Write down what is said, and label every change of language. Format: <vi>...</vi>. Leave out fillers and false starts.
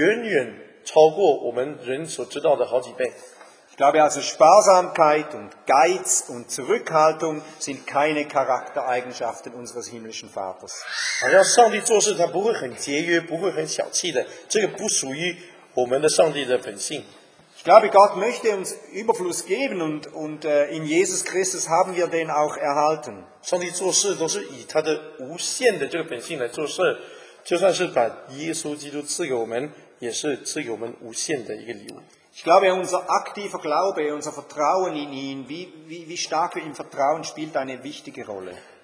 <zh>但是所有的科学家，就算是那些比较小心的、比较保守的，都估计真正在那方面的兽类和植物远远超过我们人所知道的好几倍。</zh> <de>Ich glaube also, Sparsamkeit und Geiz und Zurückhaltung sind keine Charaktereigenschaften unseres himmlischen Vaters.</de> <zh>好像上帝做事，他不会很节约，不会很小气的，这个不属于我们的上帝的本性。</zh> <de>Ich glaube, Gott möchte uns Überfluss geben und in Jesus Christus haben wir den auch erhalten.</de> <zh>上帝做事都是以他的无限的这个本性来做事，就算是把耶稣基督赐给我们，也是赐给我们无限的一个礼物。</zh> <de>Ich glaube, unser aktiver Glaube, unser Vertrauen in ihn, wie stark wir ihm vertrauen, spielt eine wichtige Rolle.</de>